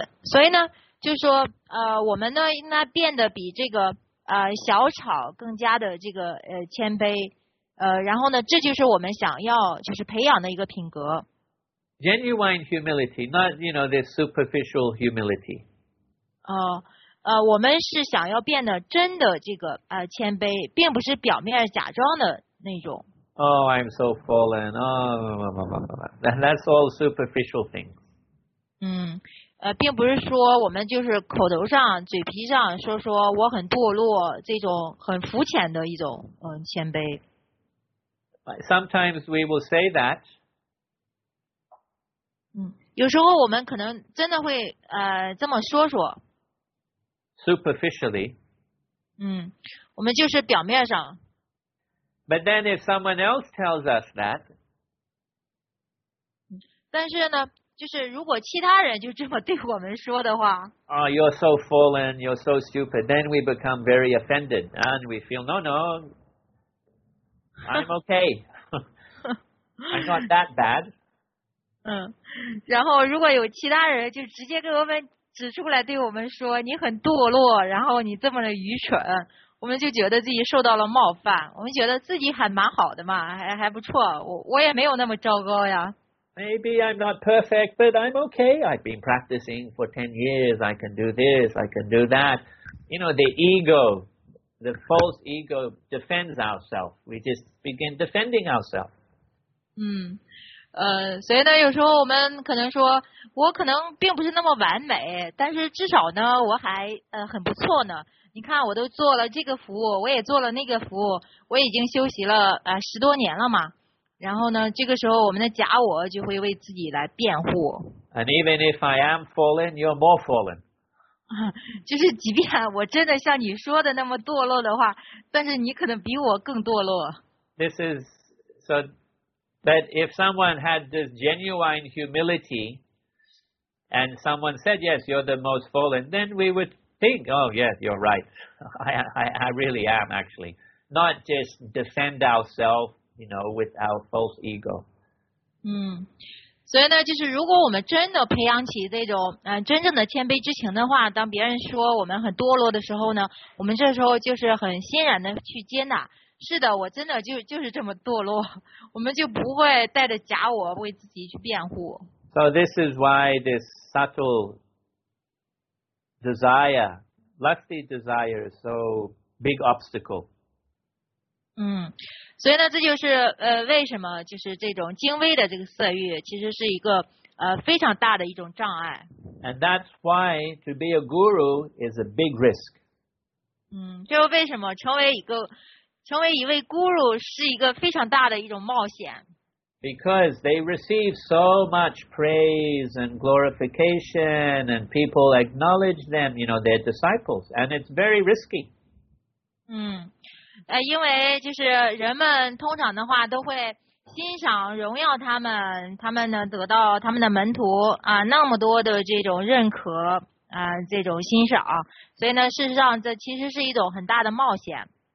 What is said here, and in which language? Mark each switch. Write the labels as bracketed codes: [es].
[zh] 所以呢，就是说，我们呢应该变得比这个小草更加的这个谦卑，然后呢，这就是我们想要就是培养的一个品格。 [en] Genuine humility, not, you know, this superficial humility. [zh] 我们是想要变得真的这个谦卑，并不是表面假装的那种。 [en] Oh, I'm so fallen. Oh, that's all superficial things. [zh] 并不是说我们就是口头上、嘴皮上说我很堕落，这种很肤浅的一种谦卑。 [en] Sometimes we will say that. [zh] 有时候我们可能真的会这么说。 [en] Superficially. [zh] 我们就是表面上。 [en] But then if someone else tells us that. [zh] 但是呢就是如果其他人就这么对我们说的话。 [en] Oh, you're so fallen, you're so stupid. Then we become very offended. And we feel, no, no. I'm okay. I'm not that bad. [zh] 然后如果有其他人就直接给我们指出来对我们说你很堕落，然后你这么的愚蠢，我们就觉得自己受到了冒犯，我们觉得自己还蛮好的嘛，还不错，我也没有那么糟糕呀。 [en] Maybe I'm not perfect, but I'm okay. I've been practicing for 10 years. I can do this, I can do that. You know, the ego, the false ego defends ourselves. We just begin defending ourselves. [zh] 所以呢有时候我们可能说我可能并不是那么完美，但是至少呢我还很不错呢。你看我都做了这个服务，我也做了那个服务，我已经休息了十多年了嘛。然后呢这个时候我们的假我就会为自己来辩护。 [en] And even if I am fallen, you're more fallen. [zh] 就是即便我真的像你说的那么堕落的话，但是你可能比我更堕落。 [en] This is so... But if someone had this genuine humility and someone said, yes, you're the most fallen, then we would think, oh, yes, you're right. I really am, actually. Not just defend ourselves, you know, with our false ego. [zh] 所以呢就是如果我们真的培养起这种真正的谦卑之情的话，当别人说我们很堕落的时候呢，我们这时候就是很欣然的去接纳。是的，我真的就是这么堕落，我们就不会带着假我为自己去辩护。 [en] So this is why this subtle desire, lusty desire, is so big obstacle. [zh] 所以呢，这就是为什么就是这种精微的这个色欲，其实是一个非常大的一种障碍。 [en] And that's why to be a guru is a big risk. [zh] 这就为什么成为一位 guru 是一个非常大的一种冒险。 [en] Because they receive so much praise and glorification and people acknowledge them, you know, their disciples. And it's very risky. [zh] 因为就是人们通常的话都会欣赏荣耀他们，他们呢得到他们的门徒啊那么多的这种认可啊这种欣赏，所以呢事实上这其实是一种很大的冒险。